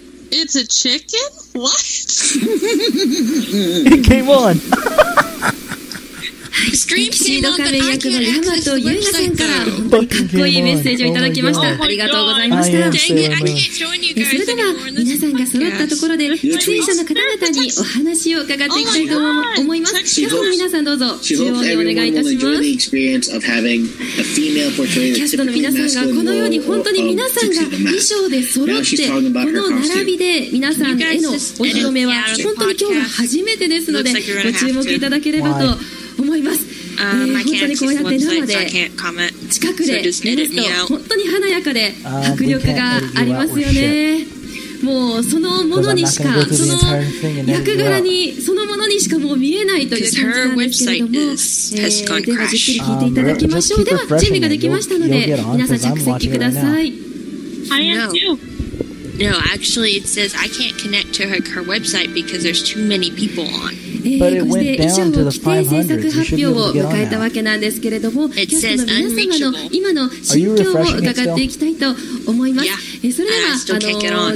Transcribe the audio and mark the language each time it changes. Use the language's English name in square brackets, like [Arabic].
[English] It's a chicken? What? It came on! Stream came on, but I can't access the website. Oh my god. Oh my god. Dang it, I can't join you guys anymore. [Japanese] それでは皆さんが揃ったところで出演者の方々にお話を伺っていきたいと思います。どうぞ皆さんどうぞ中央にお願いいたします。キャストの皆さんがこのように本当に皆さんが衣装で揃ってこの並びで皆さんへのお披露目は本当に今日が初めてですのでご注目いただければと思います。本当にこうやって生で近くで見ると本当に華やかで迫力がありますよね。もうそのものにしかその役柄にそのものにしかもう見えないという感じなんですけれども、ではじっくり聞いていただきましょう。では準備ができましたので皆さん着席ください。 [English] I am too. No, actually, it says I can't connect to her website because there's too many people on. But it went down to the 500s. You should be able to get on that. It says unreachable. Are you refreshing it still? Yeah, I still can't get on.